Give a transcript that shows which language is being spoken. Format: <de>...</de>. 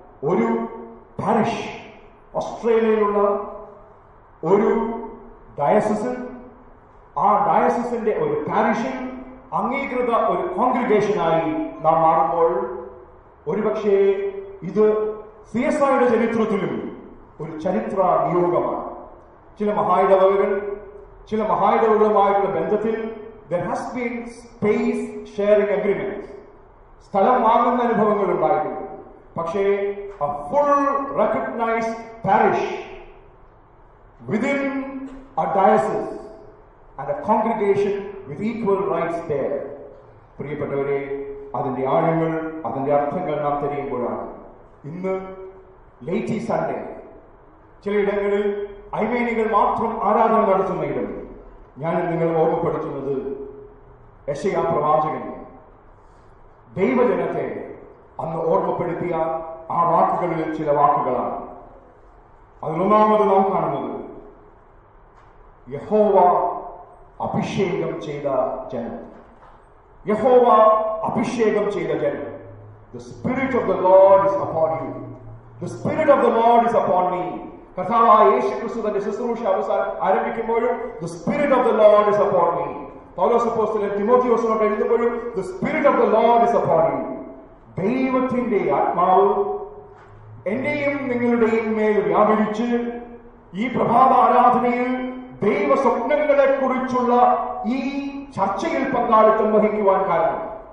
<ml>ഒരു പാരിഷ് ഓസ്ട്രേലിയയിലുള്ള ഒരു ഡയസിസിൽ, ആ ഡയസിസിന്റെ ഒരു പാരിഷിൽ അംഗീകൃത ഒരു കോൺഗ്രിഗേഷനായി നാം മാറുമ്പോൾ ഒരുപക്ഷെ ഇത് CSI ചരിത്രത്തിലും ഒരു ചരിത്ര നിയോഗമാണ്. ചില മഹായിടവകൾ, ചില മഹായിടവകളുമായിട്ടുള്ള ബന്ധത്തിൽ</ml> <en>there has been space sharing agreements.</en> <ml>സ്ഥലം വാങ്ങുന്ന അനുഭവങ്ങൾ ഉണ്ടായിട്ടുണ്ട്. പക്ഷേ</ml> <en>a full recognized parish within a diocese and a congregation with equal rights there.</en> <ml>പ്രിയപ്പെട്ടവരെ, അതിന്റെ ആഴങ്ങൾ, അതിന്റെ അർത്ഥങ്ങൾ നാം തെളിയുമ്പോഴാണ്. ഇന്ന് ലേറ്റി സൺഡേ, ചിലയിടങ്ങളിൽ അയ്മേനികൾ മാത്രം ആരാധന നടത്തുന്ന ഇടം. ഞാൻ നിങ്ങളെ ഓർമ്മപ്പെടുത്തുന്നത് യെശയ്യാ പ്രവാചകൻ ദൈവജനത്തെ അന്ന് ഓർമ്മപ്പെടുത്തിയ ആ വാക്കുകളിൽ ചില വാക്കുകളാണ്. അതിലൊന്നാമത് നാം കാണുന്നത് യഹോവ അഭിഷേകം ചെയ്ത ജനം. യഹോവ അഭിഷേകം ചെയ്ത ജനം.</ml> <en>The spirit of the Lord is upon you. The spirit of the Lord is upon me.</en> <ml>കർത്താവായ യേശുക്രിസ്തു തന്റെ ശുശ്രൂഷ ആരംഭിക്കുമ്പോഴും</ml> <en>The spirit of the Lord is upon me.</en> <ml>പൗലോസ് അപ്പോസ്തലൻ തിമോത്തിയോസിനോട് എഴുതുമ്പോഴും</ml> <en>The spirit of the Lord is upon you.</en> <ml>ദൈവത്തിന്റെ ആത്മാവ് എന്റെയും നിങ്ങളുടെയും മേൽ വ്യാപരിച്ച് ഈ പ്രഭാത ആരാധനയിൽ ദൈവ സ്വപ്നങ്ങളെ കുറിച്ചുള്ള ഈ ചർച്ചയിൽ പങ്കാളിത്തം വഹിക്കുവാൻ കാരണം.</ml>